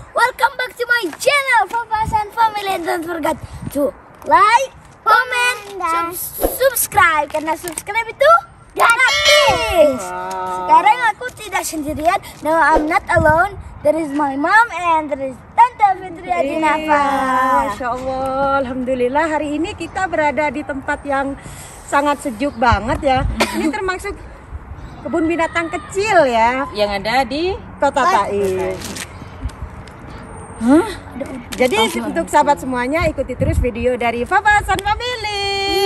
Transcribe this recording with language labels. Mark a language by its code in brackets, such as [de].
[en] Welcome back to my channel Fafas and Family, and don't forget to like, comment, subscribe, [id] karena subscribe itu gratis. Sekarang aku tidak sendirian. [en] No, I'm not alone. There is my mom and there is Tante Fitri Adinafa. [id] Masya Allah, alhamdulillah. Hari ini kita berada di tempat yang sangat sejuk banget ya. Ini termasuk kebun binatang kecil ya, yang ada di Kota Tai. Jadi untuk sahabat semuanya, ikuti terus video dari Fafasan Family.